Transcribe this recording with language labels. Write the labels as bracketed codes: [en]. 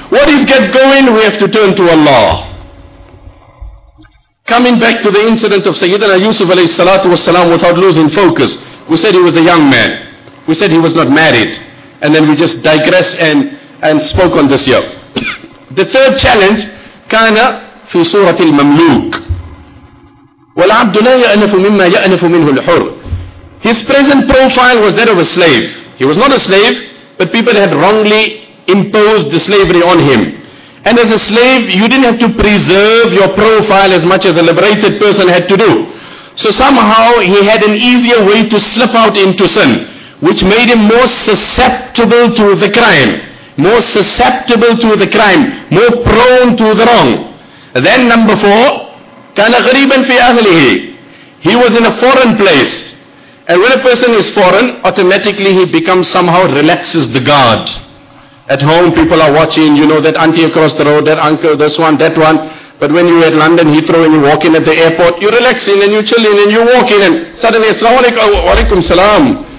[en] What is get going? We have to turn to Allah. Coming back to the incident of Sayyidina Yusuf alayhi salatu wasalam, without losing focus, we said he was a young man. We said he was not married. And then we just digress and spoke on this here. The third challenge [ar] كان في صورة المملوك. والعبد لا يأنف مما يأنف منه الحر. [en] His present profile was that of a slave. He was not a slave, but people had wrongly imposed the slavery on him. And as a slave, you didn't have to preserve your profile as much as a liberated person had to do. So somehow he had an easier way to slip out into sin, which made him more susceptible to the crime. More susceptible to the crime. More prone to the wrong. Then number four, [ar] كان غريبا في أهله. [en] He was in a foreign place. And when a person is foreign, automatically he becomes somehow relaxes the guard. At home, people are watching, you know, that auntie across the road, that uncle, this one, that one. But when you're at London Heathrow and you walk in at the airport, you relax in and you chill in and you walk in and suddenly, Assalamu alaikum, wa alaikum salam.